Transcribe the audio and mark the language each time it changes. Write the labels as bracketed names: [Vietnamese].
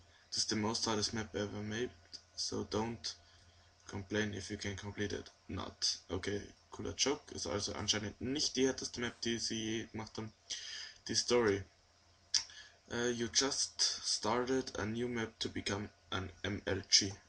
[English] This is the most hardest map ever made. So don't complain if you can complete it. [German] Not. Okay, cooler Joke. Ist also anscheinend nicht die härteste Map, die sie je gemacht haben. Die Story. [English] You just started a new map to become an MLG.